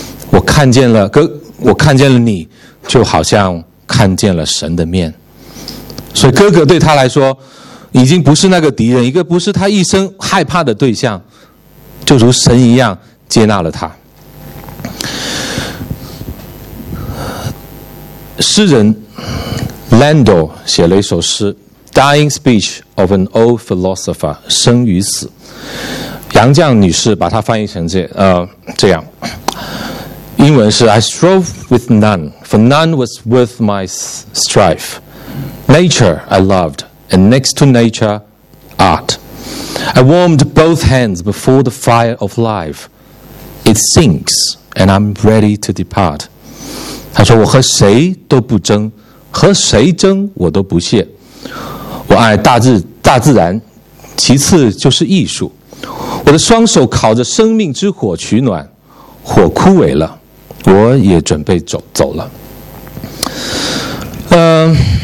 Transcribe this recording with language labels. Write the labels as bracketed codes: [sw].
[zh] 我看见了你，就好像看见了神的面。所以哥哥对他来说已经不是那个敌人，一个不是他一生害怕的对象，就如神一样接纳了他。诗人 Lando 写了一首诗， Dying Speech of an Old Philosopher， 生与死。杨绛女士把它翻译成这样，英文是 [en] I strove with none, for none was worth my strife. Nature I loved, and next to nature, art. I warmed both hands before the fire of life. It sinks, and I'm ready to depart. [zh] 他说我和谁都不争，和谁争我都不屑。我爱大自然，其次就是艺术。我的双手烤着生命之火取暖，火枯萎了，我也准备走了。